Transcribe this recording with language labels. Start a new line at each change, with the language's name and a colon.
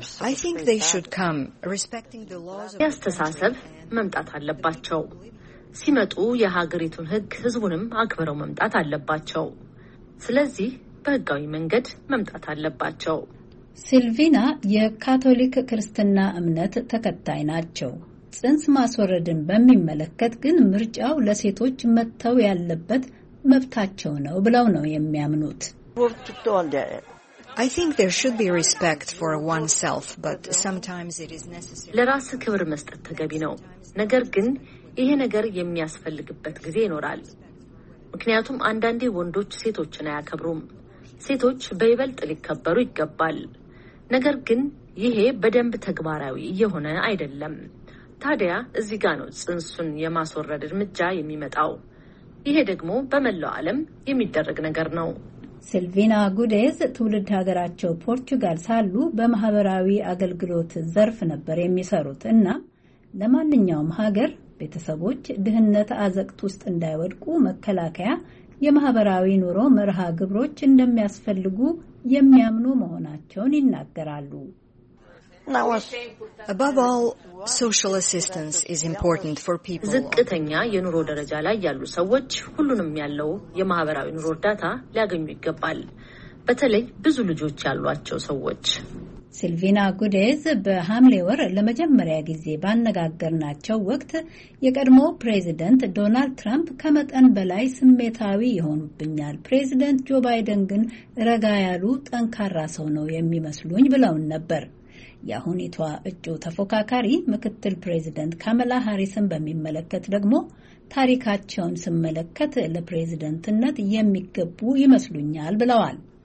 English: I think they should come, respecting the laws of
Amharic: ያስተሳሰብ መምጣት አለባቸው። ሲመጡ የሀገሪቱን ህግ ህዝቡንም አክብረው መምጣት አለባቸው። ስለዚህ በህጋዊ መንገድ መምጣት አለባቸው። ሲልቪና የካቶሊክ ክርስትና እምነት ተከታይ ናቸው። ጽንስ ማስወረድን በሚመለከት ግን ምርጫው ለሴቶች መተው ያለበት መብታቸው ነው ብለው ነው የሚያምኑት።
English: I think there should be respect for oneself, but sometimes it is necessary.
Amharic: ለራስ ክብር መስጠት ተገቢ ነው። ነገር ግን ይሄ ነገር የሚያስፈልግበት ጊዜ ይኖራል። ምክንያቱም አንዳንድ ወንዶች ሴቶችን አያከብሩም። ሴቶች በይበልጥ ሊከበሩ ይገባል። ነገር ግን ይሄ በደንብ ተግባራዊ የሆነ አይደለም። ታዲያ እዚህ ጋር ነው ጽንሱን የማስወረድ እርምጃ የሚመጣው። ይሄ ደግሞ በመላው ዓለም የሚደረግ ነገር ነው። ሲልቪና ጉዴዝ ትውልድ ሀገራቸው ፖርቹጋል ሳሉ በማህበራዊ አገልግሎት ዘርፍ ነበር የሚሰሩት እና ለማንኛውም ሀገር ቤተሰቦች ድህነት አዘቅት ውስጥ እንዳይወድቁ መከላከያ የማህበራዊ ኑሮ መርሃ ግብሮች እንደሚያስፈልጉ የሚያምኑ መሆናቸውን ይናገራሉ።
English: Above all, social assistance is important for people.
Amharic: ዝቅተኛ የኑሮ ደረጃ ላይ ያሉ ሰዎች ሁሉንም ያለው የማህበራዊ ኑሮ እርዳታ ሊያገኙ ይገባል። በተለይ ብዙ ልጆች ያሏቸው ሰዎች። ሲልቪና ጉዴዝ በሃምሌ ወር ለመጀመሪያ ጊዜ ባነጋገርናቸው ወቅት የቀድሞ ፕሬዝደንት ዶናልድ ትራምፕ ከመጠን በላይ ስሜታዊ ይሆኑብኛል፣ ፕሬዝደንት ጆ ባይደን ግን ረጋ ያሉ ጠንካራ ሰው ነው የሚመስሉኝ ብለውን ነበር። የአሁኒቷ እጩ ተፎካካሪ ምክትል ፕሬዝደንት ካመላ ሃሪስን በሚመለከት ደግሞ ታሪካቸውን ስመለከት ለፕሬዝደንትነት የሚገቡ ይመስሉኛል ብለዋል።